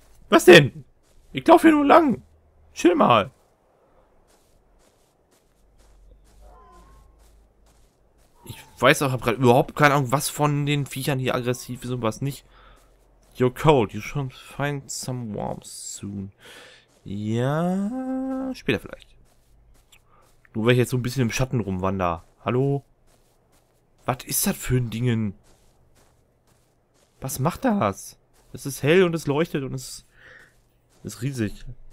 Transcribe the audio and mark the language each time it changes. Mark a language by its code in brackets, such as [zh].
[de] Was denn? Ich laufe hier nur lang. Chill mal. Ich weiß auch, hab grad überhaupt keine Ahnung, was von den Viechern hier aggressiv ist und was nicht. [en] You're cold. You should find some worms soon. [de] Ja, später vielleicht. Nur weil ich jetzt so ein bisschen im Schatten rumwandere. Hallo? Was ist das für ein Dingen? Was macht das? Es ist hell und es leuchtet und es ist riesig.